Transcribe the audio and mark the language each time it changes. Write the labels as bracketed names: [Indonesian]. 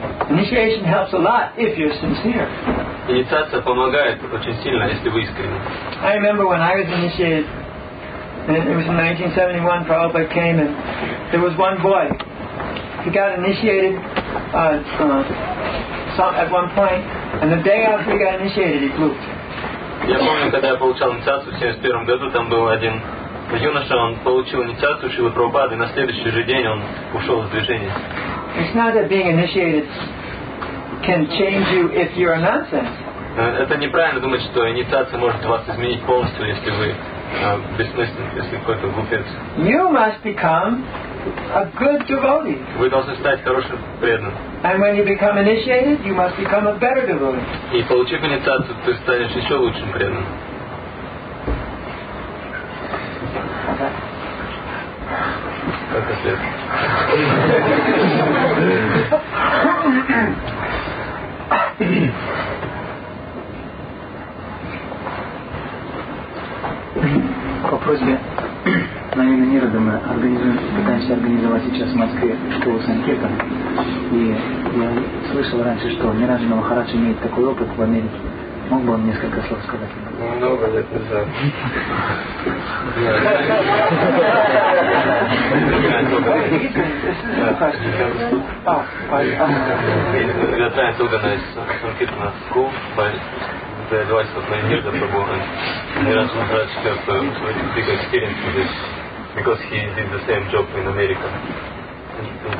[English] Initiation helps a lot if you're sincere. [Russian] Инициация помогает очень сильно, если вы искренны. [English] I remember when I was initiated, it was in 1971, Prabhupada came, and there was one boy. He got initiated at one point, and the day after he got initiated, he blew. [Russian] Я помню, когда я получал инициацию в 71 году, там был один юноша, он получил инициацию Шрилы Прабхупады, и на следующий же день он ушел из движения. [English] It's not that being initiated can change you if you're a nonsense. [Russian] Это неправильно думать, что инициация может вас изменить полностью, если вы бессмысленный, если какой-то глупец. [English] You must become a good devotee. [Russian] Вы должны стать хорошим преданным. [English] And when you become initiated, you must become a better devotee. [Russian] И получив инициацию, ты станешь еще лучшим преданным. По просьбе, наверное, Нирада, мы пытаемся организовать сейчас в Москве школу санкета. И я слышал раньше, что Нираджа Махарадж имеет такой опыт в Америке. Мог бы он несколько слов сказать? Много лет назад. Я знаю, только на санкетном скул. [English] Because he did the same job in America.